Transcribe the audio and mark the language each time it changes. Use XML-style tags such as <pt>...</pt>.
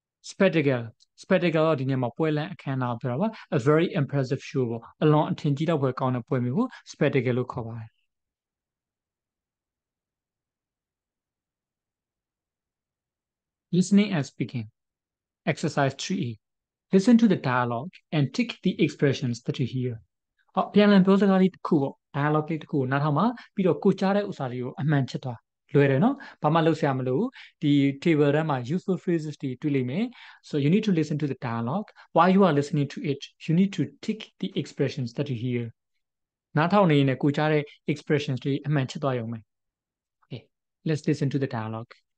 <my>spectacle spectacle ဒီနေ့မှာပွဲလန်းအခမ်းအနားပြောတာပါ</my> <en>a very impressive show</en> <my>ပေါ့အလွန်အထင်ကြီးတဲ့ပွဲကောင်းတဲ့ပွဲမျိုးကို spectacle လို့ခေါ်ပါတယ်</my> <en>Listening and speaking. Exercise 3E. Listen to the dialogue and tick the expressions that you hear.</en> <my>Oh, ပြန်လည်ပြောစကားလေးတစ်ခုပေါ့ dialogue လေးတစ်ခုနားထောင်ပါပြီးတော့ကိုကြားတဲ့ဥစ္စာလေးကိုအမှန်ချက်သွားလွယ်တယ်နော်ဘာမှလုပ်ဆရာမလိုဘူးဒီ table ထဲမှာ useful phrases တွေတွေ့လိမ့်မယ်</my> <en>So you need to listen to the dialogue while you are listening to it. You need to tick the expressions that you hear.</en> <my>နားထောင်နေရင်ကိုကြားတဲ့ expressions တွေအမှန်ချက်သွားရုံပဲ</my> <en>Okay, let's listen to the dialogue.</en>